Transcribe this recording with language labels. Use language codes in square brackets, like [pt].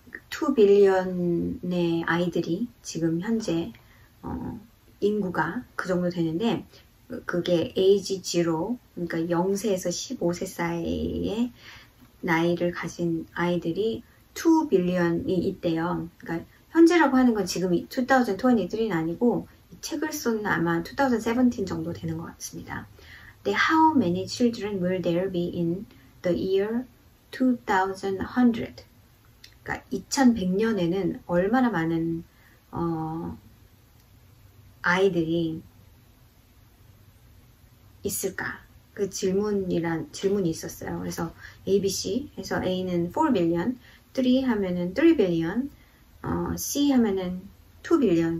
[ko] 2 billion의 아이들이 지금 현재 인구가 그 정도 되는데 그게 age 0, 그러니까 0세에서 15세 사이의 나이를 가진 아이들이 2 billion이 있대요. 그러니까 현재라고 하는 건 지금 2023는 아니고 이 책을 쓴 아마 2017 정도 되는 것 같습니다. [en] The how many children will there be in the year 2100? [ko] 그러니까 2100년에는 얼마나 많은 아이들이 있을까? 그 질문이 있었어요. 그래서 ABC 해서 A는 4 billion, 3 하면은 3 billion, C 하면은 2 billion.